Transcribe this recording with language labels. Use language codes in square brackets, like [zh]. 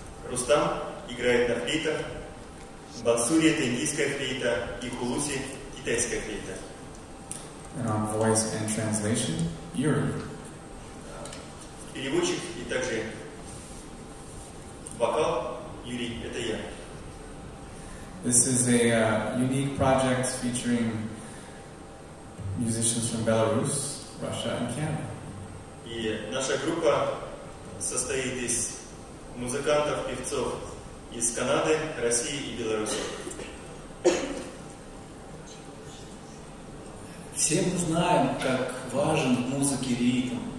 [ru] Rustam играет на флейтах. Бансури — это индийская флейта, и хулуси — китайская флейта. [en] And on voice and translation, Yuri. [ru] Переводчик и также вокал — Юрий, это я. [en] This is a unique project featuring musicians from Belarus, Russia, and Canada. [ru] И наша группа состоит из музыкантов, певцов из Канады, России и Беларуси. Все мы знаем, как важен в музыке ритм.